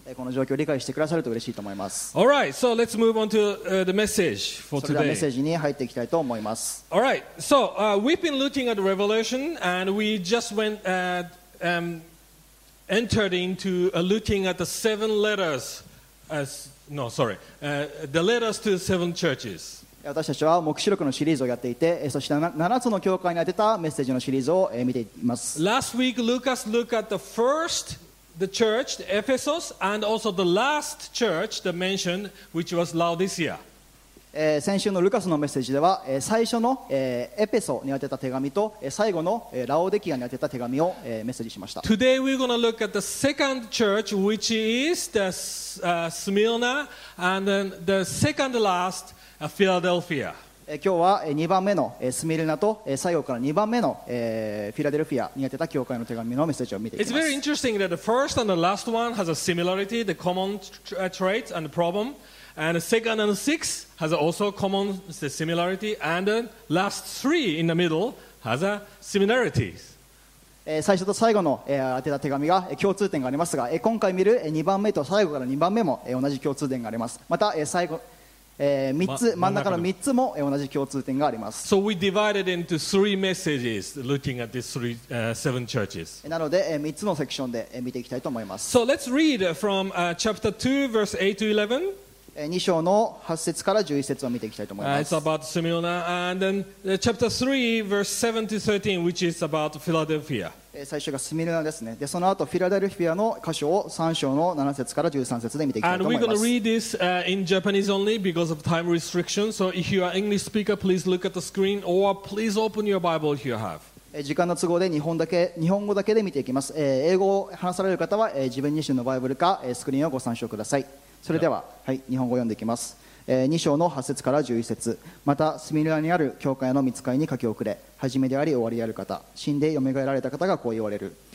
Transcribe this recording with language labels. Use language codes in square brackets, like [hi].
[ja] この状況を理解してくださると嬉しいと思います。 [en] All right, so let's move on to the message for today. [ja] それではメッセージに入っていきたいと思います。 [en] All right, so we've been looking at the Revelation, and we just went entered into looking at the seven letters as no, sorry, the letters to the seven churches. [ja] 私たちは黙示録のシリーズをやっていて、そして7つの教会に当てたメッセージのシリーズを見ています。 [en] Last week, Lucas looked at the first, the church, the Ephesus, and also the last church, the mention, which was Laodicea. [ja] 先週のルカスのメッセージでは、最初のエペソに当てた手紙と最後のラオデキアに当てた手紙をメッセージしました。 [en] Today, we're going to look at the second church, which is the Smyrna, and then the second last,Philadelphia. [ja] 今日は2番目のスミルナと最後から2番目のフィラデルフィアに宛てた教会の手紙のメッセージを見ていきます。 [en] It's very interesting that the first and the last one has a similarity, the common traits and problem, and the second and the sixth has also common similarity, and the last three in the middle has a similarity. [ja] 最初と最後の宛てた手紙が共通点がありますが、今回見る2番目と最後から2番目も同じ共通点があります。また最後つ真ん中の3つも同じ共通点があります。 [en] So we divided into three messages looking at these three, seven churches. [ja] なので3つのセクションで見ていきたいと思います。 [en] So let's read from chapter 2, verse 8 to 11. 2 [ja] 章の8節から11節を見ていきたいと思います。 [en] It's about Smyrna. And then chapter 3, verse 7 to 13, which is about Philadelphia. [ja] 最初がスミルナですね。で、その後フィラデルフィアの箇所を3章の7節から13節で見ていきたいと思います。 [en] And we're going to read this in Japanese only because of time restriction. So if you are English speaker, please look at the screen or please open your Bible if you have. [ja] 時間の都合で日本語だけで見ていきます。英語を話される方は自分自身のバイブルかスクリーンをご参照ください。それでは、はい、日本語を読んでいきます。2章の8節から11節、またスミルナにある教会の御使いに書き送れ、始めであり終わりである方、死んで蘇られた方がこう言われる。